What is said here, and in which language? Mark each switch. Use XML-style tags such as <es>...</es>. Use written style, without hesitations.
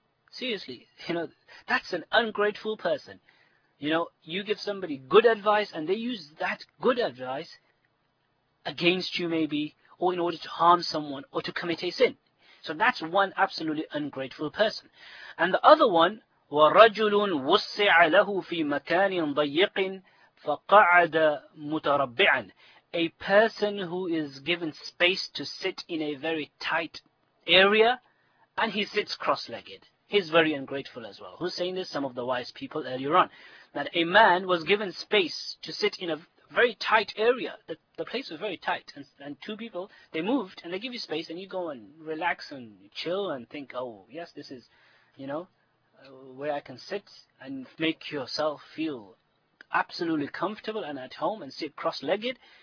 <en>Seriously, you know, that's an ungrateful person. You know, you give somebody good advice and they use that good advice against you maybe, or in order to harm someone or to commit a sin. So that's one absolutely ungrateful person. And the other one,</en> <ar>وَرَجُلٌ وُسِّعَ لَهُ فِي مَكَانٍ ضَيِّقٍ فَقَعَدَ مُتَرَبِّعًا.</ar> <en>A person who is given space to sit in a very tight area and he sits cross-legged. He's very ungrateful as well. Who's saying this? Some of the wise people earlier on. That a man was given space to sit in a very tight area. The place was very tight. And two people, they moved and they give you space and you go and relax and chill and think, oh, yes, this is, you know, where I can sit and make yourself feel absolutely comfortable and at home and sit cross-legged.</en>